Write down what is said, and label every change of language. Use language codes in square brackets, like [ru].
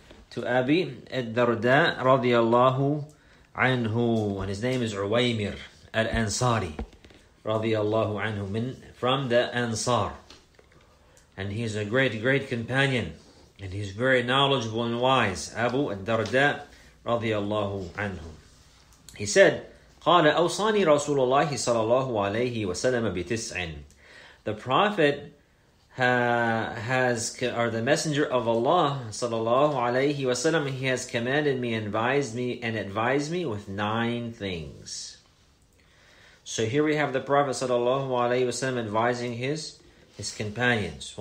[en] To Abi Ad-Darda radiallahu anhu. And his name is Uwaymir Al-Ansari radiallahu anhu, from the Ansar. And he's a great, great companion. And he's very knowledgeable and wise. Abu Ad-Darda radiallahu anhu. He said, [ar] قال أوصاني رسول الله صلى الله عليه وسلم بتسع. [en] The Prophet or the Messenger of Allah صلى الله عليه وسلم, he has commanded me, advised me with 9 things. So here we have the Prophet صلى الله عليه وسلم advising his companions.